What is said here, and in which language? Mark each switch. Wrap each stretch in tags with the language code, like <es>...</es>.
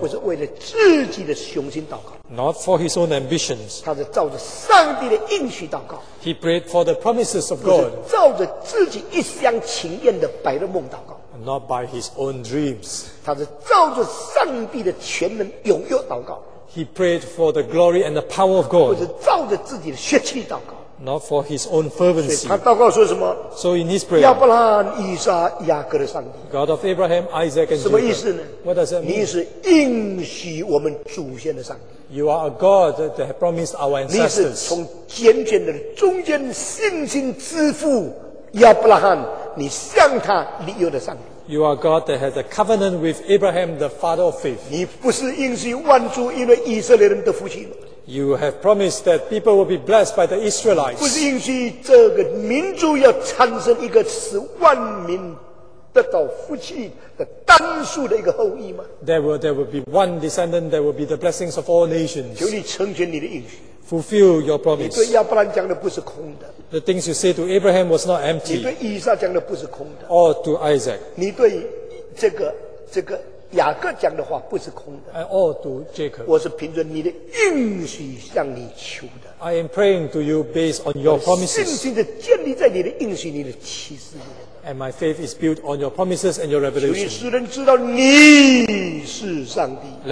<zh>不是为了自己的雄心祷告。</zh> <en>Not for his own ambitions.</en> <zh>他是照着上帝的应许祷告。</zh> <en>He prayed for the promises of God.</en> <zh>照着自己一厢情愿的白日梦祷告。</zh> <en>Not by his own dreams.</en> <zh>他是照着上帝的权能踊跃祷告。</zh> <en>He prayed for the glory and the power of God.</en> <zh>不是照着自己的血气祷告。</zh> <en>Not for his own fervency.</en> <zh>他祷告说什么？</zh> <en>So in his prayer,</en> <zh>亚伯拉罕、以撒、雅各的上帝。</zh> <en>God of Abraham, Isaac, and Jacob.</en> <zh>什么意思呢？</zh> <en>What does that mean?</en> <zh>你是应许我们祖先的上帝。</zh> <en>You are a God that has promised our ancestors.</en> <zh>你是从简简的中间信心之父亚伯拉罕，你向他立约的上帝。</zh> <en>You are God that has a covenant with Abraham, the father of faith.</en> <zh>你不是应许万族因为以色列人的福气吗？</zh> <en>You have promised that people will be blessed by the Israelites.</en> <zh>不是应许这个民族要产生一个使万民得到福气的单数的一个后裔吗？</zh> <en>There will be one descendant that will be the blessings of all nations.</en> <zh>求你成全你的应许。</zh> <en>Fulfill your promise.</en> <zh>你对亚伯兰讲的不是空的。</zh> <en>The things you say to Abraham was not empty.</en> <zh>你对以撒讲的不是空的。</zh> <en>Or to Isaac.</en> <zh>你对这个雅各讲的话不是空的。</zh> <en>And all to Jacob.</en> <zh>我是凭着你的应许向你求的。</zh> <en>I am praying to you based on your promises.</en> <zh>信心的建立在你的应许、你的启示里。</zh> <en>And my faith is built on your promises and your revelation.</en> <zh>求你使人知道你是上帝。</zh>